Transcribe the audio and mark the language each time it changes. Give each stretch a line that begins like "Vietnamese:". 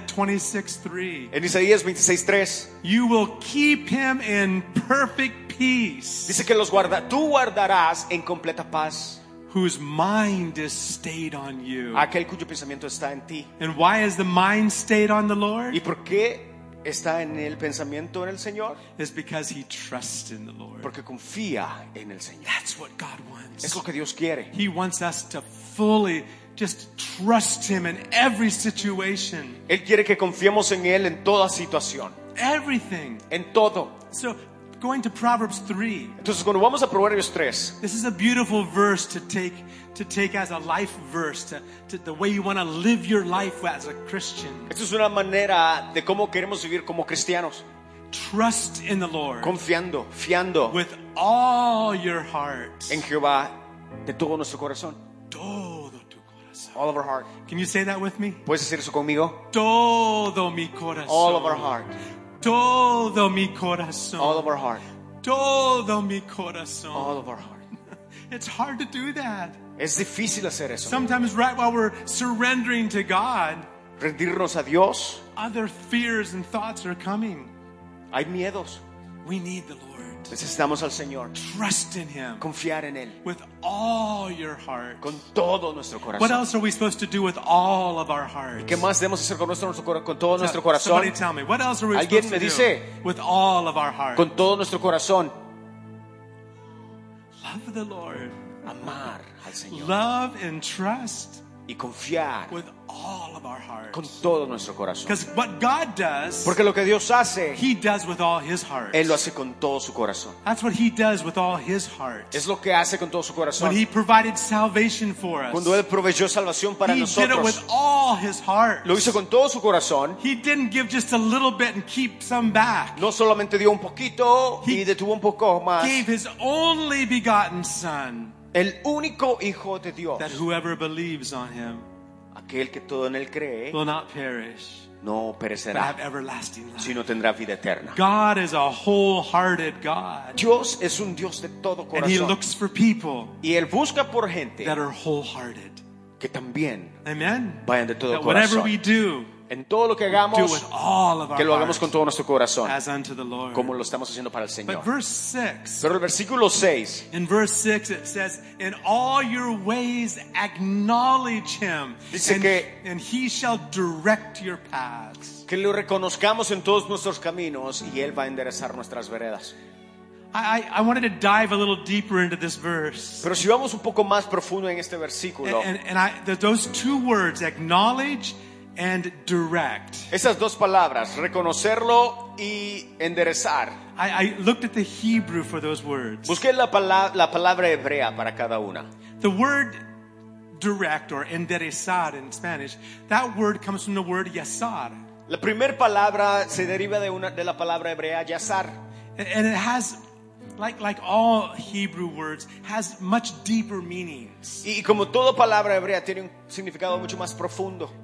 English: Isaiah 26:3.
Spanish: En Isaías 26:3.
English: You will keep him in perfect peace.
Spanish: Dice que los guarda. Tú guardarás en completa paz.
English: Whose mind is stayed on you.
Spanish: Aquel cuyo pensamiento está en ti.
English: And why is the mind stayed on the Lord?
Spanish: ¿Y por qué está en el pensamiento en el Señor?
English: Is because he trusts in the Lord.
Spanish: Porque confía en el Señor.
English: That's what God wants.
Spanish: Es lo que Dios quiere.
English: He wants us to fully just trust him in every situation.
Spanish: Él quiere que confiemos en él en toda situación.
English: Everything.
Spanish: En todo.
English: So going to Proverbs 3.
Spanish: Entonces, cuando vamos a Proverbios 3.
English: This is a beautiful verse to take as a life verse to the way you want to live your life as a Christian.
Spanish: Esto es una manera de cómo queremos vivir como cristianos.
English: Trust in the Lord.
Spanish: Confiando, fiando.
English: With all your heart.
Spanish: En Jehová de todo nuestro corazón. Todo tu corazón.
English: All of our heart. Can you say that with me?
Spanish: ¿Puedes decir eso conmigo? Todo mi corazón.
English: All of our heart.
Spanish: Todo mi corazón.
English: All of our heart.
Spanish: Todo mi corazón.
English: All of our heart. It's hard to do that.
Spanish: Es difícil hacer eso.
English: Sometimes right while we're surrendering to God.
Spanish: Rendirnos a Dios.
English: Other fears and thoughts are coming.
Spanish: Hay miedos.
English: We need the Lord.
Spanish: Necesitamos al Señor.
English: Trust in him.
Spanish: Confiar en él.
English: With all your heart.
Spanish: Con todo nuestro corazón.
English: What else are we supposed to do with all of our hearts?
Spanish: ¿Qué más debemos hacer con todo nuestro corazón?
English: Somebody tell me. What else are we supposed to do with all of our hearts?
Spanish: Con todo nuestro corazón.
English: Love the Lord.
Spanish: Amar al Señor.
English: Love and trust.
Spanish: y confiar
English: with all of our hearts.
Spanish: Con todo nuestro corazón.
English: Because what God does,
Spanish: porque lo que Dios hace,
English: he does with all his heart.
Spanish: Él lo hace con todo su corazón.
English: That's what he does with all his heart.
Spanish: Es lo que hace con todo su corazón.
English: When he provided salvation for us,
Spanish: cuando él proveyó salvación para
English: he
Spanish: nosotros,
English: did it with all his heart.
Spanish: Lo hizo con todo su corazón.
English: He didn't give just a little bit and keep some back.
Spanish: No solamente dio un poquito y detuvo un poco más.
English: He gave his only begotten son,
Spanish: el único hijo de Dios,
English: that whoever believes on him,
Spanish: aquel que todo en él cree,
English: will not perish,
Spanish: no perecerá,
English: but have everlasting life,
Spanish: sino tendrá vida eterna.
English: God is a wholehearted God.
Spanish: Dios es un Dios de todo corazón.
English: And he looks for people,
Spanish: y él busca por gente,
English: that are wholehearted,
Spanish: que también, amen, vayan de todo corazón.
English: Whatever we do,
Spanish: en todo lo que hagamos,
English: do with all of our
Spanish: que lo hagamos con todo nuestro corazón,
English: as unto the Lord,
Spanish: como lo estamos haciendo para el Señor.
English: But verse 6,
Spanish: pero el versículo 6,
English: in verse 6 it says, in all your ways acknowledge him,
Spanish: dice
English: and,
Spanish: que,
English: and he shall direct your paths.
Spanish: Que lo reconozcamos en todos nuestros caminos y él va a enderezar nuestras veredas.
English: I wanted to dive a little deeper into this verse.
Spanish: Pero si vamos un poco más profundo en este versículo,
English: and I, those two words, acknowledge and direct.
Spanish: Esas dos palabras, reconocerlo y enderezar.
English: I looked at the Hebrew for those words.
Spanish: Busqué la palabra hebrea para cada una.
English: The word direct or enderezar in Spanish, that word comes from the word yasar.
Spanish: La primera palabra se deriva de una de la palabra hebrea yasar.
English: And it has, like all Hebrew words, has much deeper meanings.
Spanish: Y como toda palabra hebrea tiene un significado mucho más profundo.